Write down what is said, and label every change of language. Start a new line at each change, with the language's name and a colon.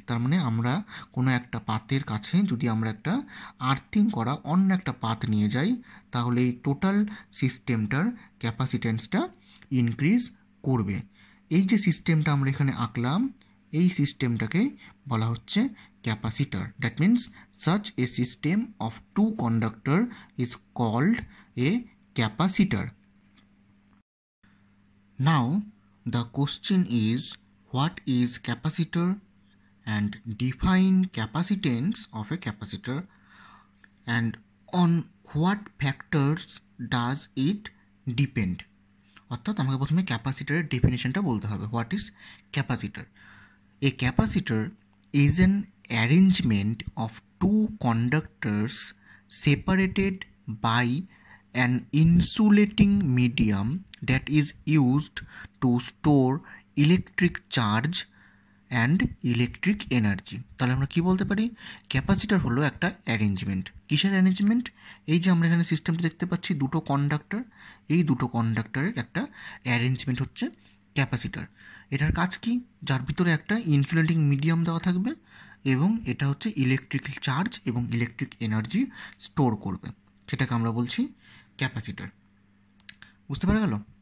Bangla: তার মানে আমরা কোনো একটা পাতের কাছে যদি আমরা একটা আর্থিং করা অন্য একটা পাত নিয়ে যাই তাহলে এই টোটাল সিস্টেমটার ক্যাপাসিটেন্সটা ইনক্রিজ করবে. এই যে সিস্টেমটা আমরা এখানে আঁকলাম এই সিস্টেমটাকে বলা হচ্ছে capacitor.
English: That means such a system of two conductor is called a capacitor. Now, the question is, what is capacitor and define capacitance of a capacitor and on what factors does it depend?
Bangla: অর্থাৎ আমাকে প্রথমে ক্যাপাসিটারের ডেফিনেশনটা বলতে হবে.
English: What is capacitor? A capacitor is an arrangement of two conductors separated by an insulating medium that is used to store electric charge and electric energy.
Bangla: তাহলে আমরা কী বলতে পারি, ক্যাপাসিটার হলো একটা অ্যারেঞ্জমেন্ট. কিসের অ্যারেঞ্জমেন্ট? এই যে আমরা এখানে সিস্টেমটা দেখতে পাচ্ছি দুটো কন্ডাক্টার, এই দুটো কন্ডাক্টারের একটা অ্যারেঞ্জমেন্ট হচ্ছে ক্যাপাসিটার. এটার কাজ কী, যার ভিতরে একটা ইনসুলেটিং মিডিয়াম দেওয়া থাকবে এবং এটা হচ্ছে ইলেকট্রিক চার্জ এবং ইলেকট্রিক এনার্জি স্টোর করবে, সেটাকে আমরা বলছি ক্যাপাসিটার. বুঝতে পারা গেল?